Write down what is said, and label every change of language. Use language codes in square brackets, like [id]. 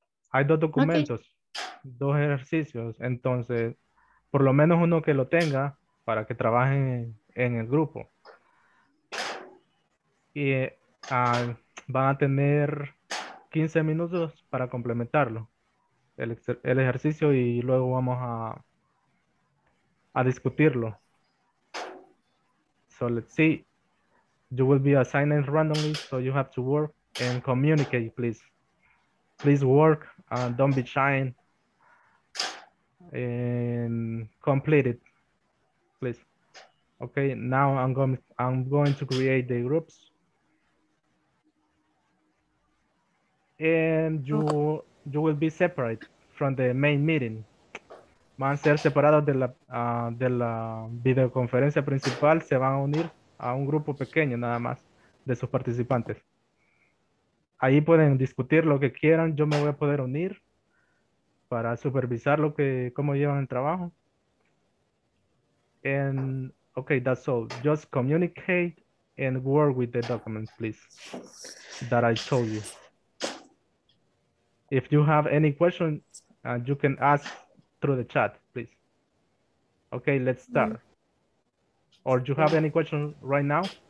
[es] Hay dos documentos, okay. Dos ejercicios. Entonces, por lo menos uno que lo tenga para que trabajen en el grupo. Y van a tener 15 minutos para complementarlo, el ejercicio, y luego vamos a discutirlo. [en] So let's see. You will be assigned randomly, so you have to work and communicate, please. Please work, don't be shy, and complete it, please. Okay, now I'm going to create the groups. And you will be separate from the main meeting. [es] Van a ser separados de la videoconferencia principal, se van a unir a un grupo pequeño nada más de sus participantes. Ahí pueden discutir lo que quieran, yo me voy a poder unir para supervisar lo que cómo llevan el trabajo. [en] And okay, that's all. Just communicate and work with the documents, please, that I told you. If you have any question, you can ask through the chat, please. Okay, let's start. Mm-hmm. Or do you have any question right now?